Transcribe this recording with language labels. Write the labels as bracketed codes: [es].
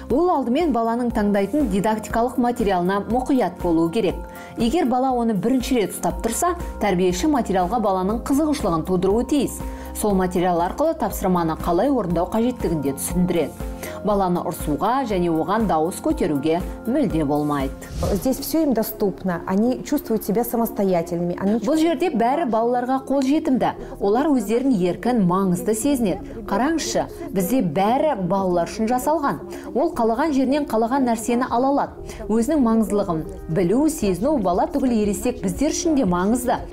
[kk] Ол алдымен баланың таңдайтын дидактикалық материалына мұқият болу керек. Егер бала оны бірінші рет ұстап тұрса, тәрбиеші материалға баланың қызығушылығын тудыруы тиіс. Сол материал арқылы тапсырманы қалай орындау қажеттігінде түсіндіреді. Баланы ұрсуға және оған дауыс көтеруге мүлде болмайды. [ru] Здесь все им доступно. Они чувствуют себя самостоятельными. [kk] Бұл жерде бәрі балаларға қол жетімді. Олар өздерін еркін маңызды сезінеді. Қараңызшы, бізде бәрі балалар үшін жасалған. Ол қалаған жерінен қалаған нәрсені ала алады. Өзінің маңыздылығын білу, сезіну бала түгіл ересек біздер үшін де маңызды.